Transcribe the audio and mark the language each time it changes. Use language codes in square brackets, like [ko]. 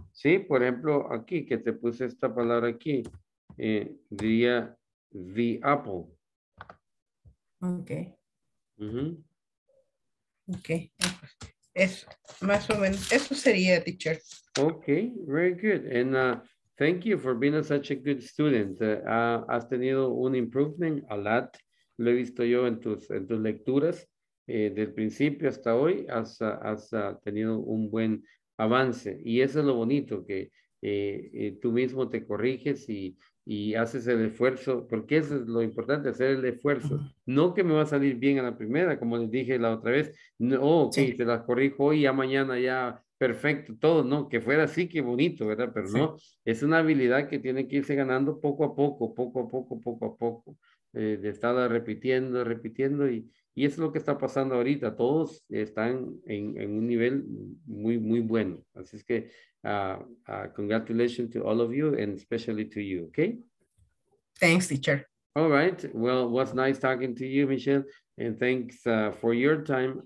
[es] Sí, por ejemplo, aquí que te puse esta palabra aquí, diría [en] the apple. Ok. Uh-huh. [es] Ok, eso más o menos, eso sería, teacher. [en] Ok, very good. And thank you for being such a good student. [es] Has tenido un [en] improvement a lot. [es] Lo he visto yo en tus lecturas, del principio hasta hoy. Has tenido un buen avance. Y eso es lo bonito, que tú mismo te corriges y haces el esfuerzo, porque eso es lo importante, hacer el esfuerzo. No que me va a salir bien a la primera, como les dije la otra vez. No, ok, sí. Te las corrijo hoy, ya mañana, ya perfecto, todo. No, que fuera así, qué bonito, ¿verdad? Pero sí. No, es una habilidad que tiene que irse ganando poco a poco, poco a poco, poco a poco. De estarla repitiendo, y es lo que está pasando ahorita. Todos están en un nivel muy, muy bueno. Así es que, [en] congratulations to all of you, and especially to you, okay? Thanks, teacher. All right. Well, it was nice talking to you, Michelle, and thanks for your time.